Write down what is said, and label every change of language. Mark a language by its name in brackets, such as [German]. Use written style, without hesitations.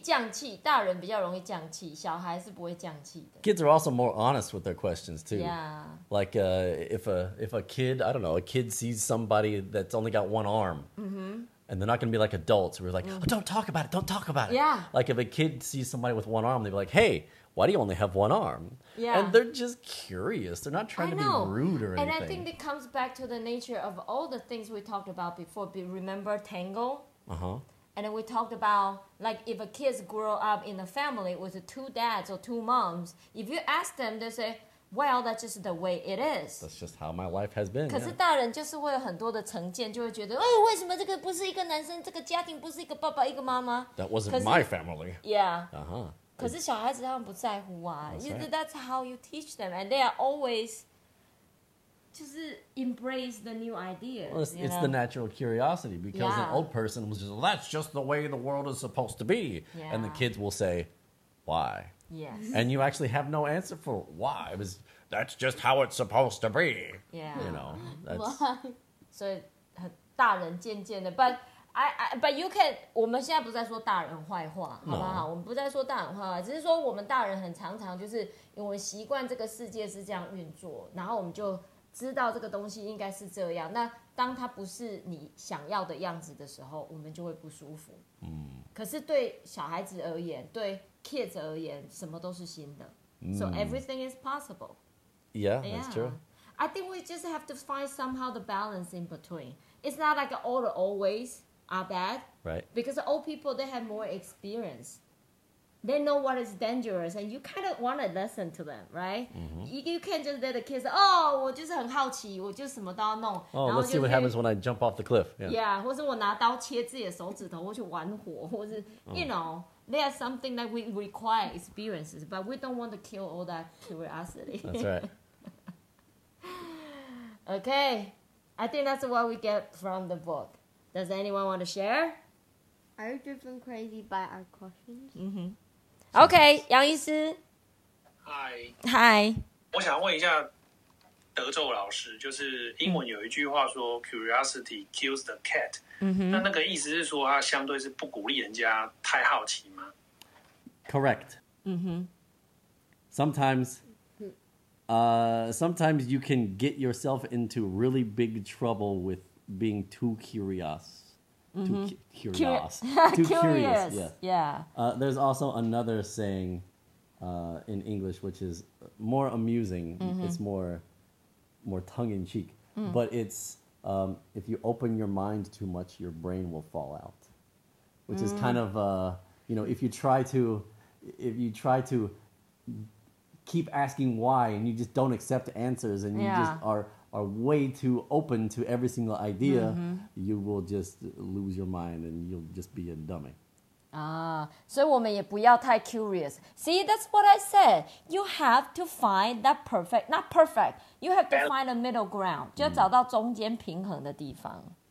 [Chinese] 降气, 大人比较容易降气, 小孩是不会降气的。 [English] Kids are also more honest with their questions, too. Yeah. Like, if a kid, I don't know, a kid sees somebody that's only got one arm, and they're not going to be like adults. We're like, oh, don't talk about it, don't talk about it. Yeah. Like, if a kid sees somebody with one arm, they'd be like, hey, why do you only have one arm? Yeah. And they're just curious. They're not trying to be rude or anything. And I think it comes back to the nature of all the things we talked about before. Remember Tangle? Uh-huh. And then we talked about, like, if a kid grow up in a family with two dads or two moms, if you ask them, they say, well, that's just the way it is. That's just how my life has been. [Chinese] 可是大人就是会有很多的成见，就会觉得，哦，为什么这个不是一个男生，这个家庭不是一个爸爸，一个妈妈？ [English] That wasn't my family. Yeah. Uh-huh. [Chinese] 可是小孩子他们不在乎啊。 [English] That's how you teach them. And they are always... Just embrace the new idea. Well, it's the natural curiosity because an old person was just, that's just the way the world is supposed to be. Yeah. And the kids will say, why? Yes. And you actually have no answer for why. It was, that's just how it's supposed to be. Yeah. You know, that's... [Chinese] So, 大人渐渐的, [English] but, but you can, [Chinese] 我们现在不再说大人坏话, 好不好? [English] No. [Chinese] 我们不再说大人坏话, 只是说我们大人很常常就是因为习惯这个世界是这样运作, 然后我们就知道这个东西应该是这样，那当它不是你想要的样子的时候，我们就会不舒服。嗯，可是对小孩子而言，对 kids 而言，什么都是新的。嗯、 [English] so everything is possible. Yeah, that's true. I think we just have to find somehow the balance in between. It's not like all the old ways are bad. Right. Because old people, they have more experience. They know what is dangerous, and you kind of want to listen to them, right? Mm-hmm. You can't just let the kids, oh, [Chinese] 我就是很好奇，我就什么都要弄。 [English] Oh, let's see what happens when I jump off the cliff. Yeah, [Chinese] 或是我拿刀切自己的手指头，或去玩火，或是 [English] you know, there are something that we require experiences, but we don't want to kill all that curiosity. That's right. Okay, I think that's what we get from the book. Does anyone want to share? Are you driven crazy by our questions? Mm-hmm. Okay, Yang 医师 Hi. Hi. [Chinese] 我想问一下德州老师，就是英文有一句话说 [English] curiosity kills the cat. [Chinese] 那那个意思是说它相对是不鼓励人家太好奇吗？ [English] Correct. Sometimes, sometimes you can get yourself into really big trouble with being too curious. Too curious. Yeah. There's also another saying in English, which is more amusing. Mm-hmm. It's more tongue-in-cheek. Mm. But it's, if you open your mind too much, your brain will fall out. Which is kind of, you know, if you try to keep asking why and you just don't accept answers and you just are way too open to every single idea, you will just lose your mind and you'll just be a dummy. Ah, so we don't be too curious. See, that's what I said. You have to find that perfect, not perfect, you have to find a middle ground. [Chinese] 就要找到中间平衡的地方。